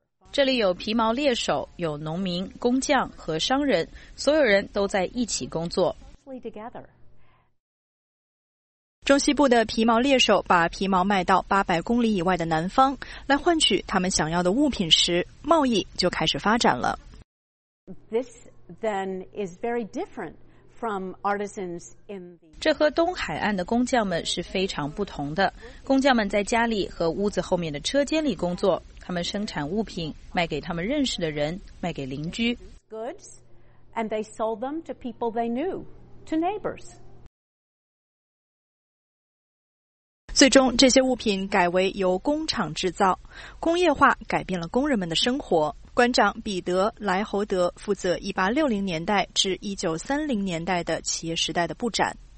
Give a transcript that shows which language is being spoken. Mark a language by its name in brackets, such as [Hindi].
[Chinese] 这里有皮毛猎手，有农民、工匠和商人，所有人都在一起工作。中西部的皮毛猎手把皮毛卖到800公里以外的南方，来换取他们想要的物品时，贸易就开始发展了。 [English] This then is very different from artisans in the... [Chinese] 这和东海岸的工匠们是非常不同的。工匠们在家里和屋子后面的车间里工作，他们生产物品，卖给他们认识的人，卖给邻居。 [English] And they sold them to people they knew, to neighbors. [Chinese] 最终，这些物品改为由工厂制造。工业化改变了工人们的生活。馆长彼得·莱侯德负责1860年代至1930年代的企业时代的布展。